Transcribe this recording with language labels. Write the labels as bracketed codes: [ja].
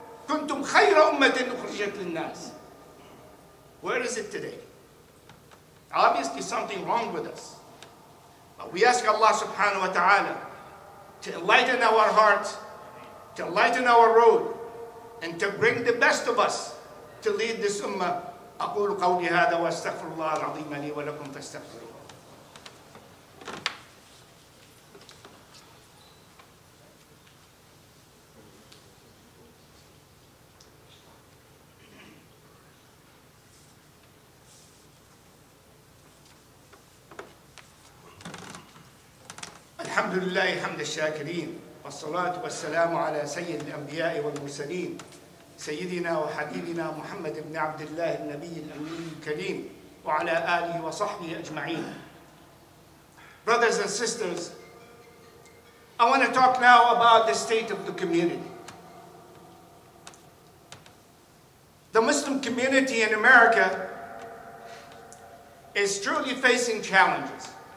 [ar] كُنْتُمْ خَيْرَ أُمَّةٍ أُخْرِجَتْ لِلنَّاسِ. [en] Where is it today? Obviously something wrong with us. But we ask Allah subhanahu wa ta'ala to enlighten our hearts, to lighten our road, and to bring the best of us to lead this ummah. [ar] أقول قولي هذا وأستغفر الله العظيم لي ولكم فاستغفروه. الحمد لله حمد الشاكرين والصلاة والسلام على سيد الأنبياء والمرسلين سيدنا وحبيبنا محمد بن عبد الله النبي الأمين الكريم وعلى آله وصحبه أجمعين. [en] Brothers and sisters, I want to talk now about the state of the community. The Muslim community in America is truly facing challenges.